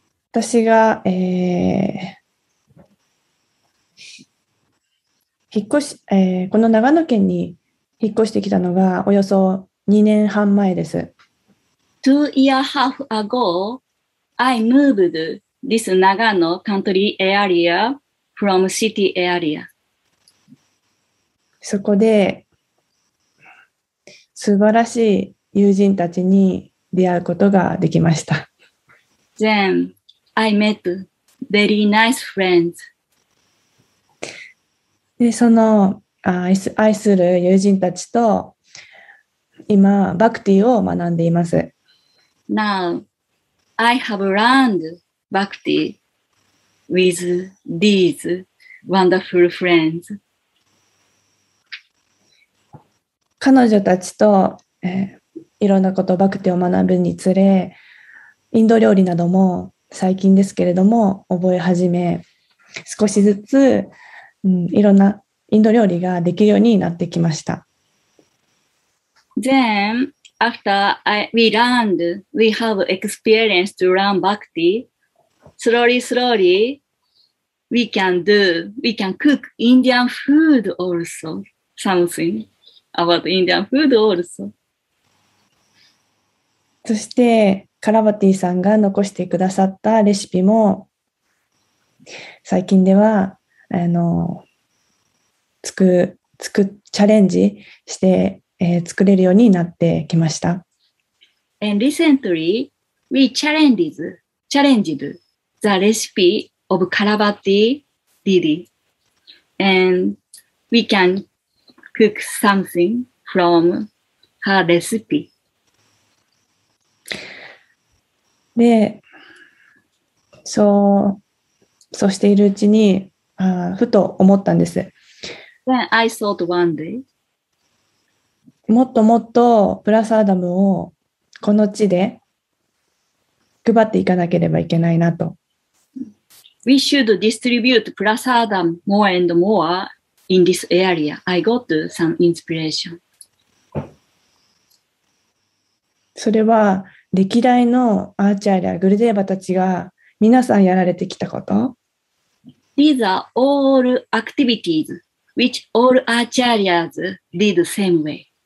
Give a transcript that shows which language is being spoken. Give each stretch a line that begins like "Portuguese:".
Japanese: 私が、この長野県に引っ越してきたのがおよそ2年半前です。
English: 2 years half ago, I moved this Nagano country area from city area.
Japanese: そこで素晴らしい友人たちに出会うことができました。
English: Then I met very nice friends.
Japanese: で、その愛する友人たちと今、バクティを学んでいます。
English: Now, I have learned Bhakti with these wonderful friends.
Japanese: 彼女たちと、いろんなことバクティを学ぶにつれ、インド料理なども最近ですけれども覚え始め、少しずつ、いろんなインド料理ができるようになってきました。
English: Then, after we learned, we have experience to learn bhakti. Slowly, slowly, we can cook Indian food also. Something about Indian food also.
Japanese: そして、カラバティさんが残してくださったレシピも、最近では、チャレンジして、作れるようになってきました。
English: And recently, we challenged the recipe of Karabati Didi. And we can cook something from her recipe.
Japanese: で、そうしているうちに、ふと思ったんです。
English: Then I thought one day,
Japanese: もっともっとプラスアダムをこの地で配っていかなければいけないなと。
English: We should distribute プラスアダム more and more in this area. I got some inspiration.
Japanese: それは歴代のアーチャーリア、グルデーバたちが皆さんやられてきたこと。
English: These are all activities which all アーチャーリアdid same way.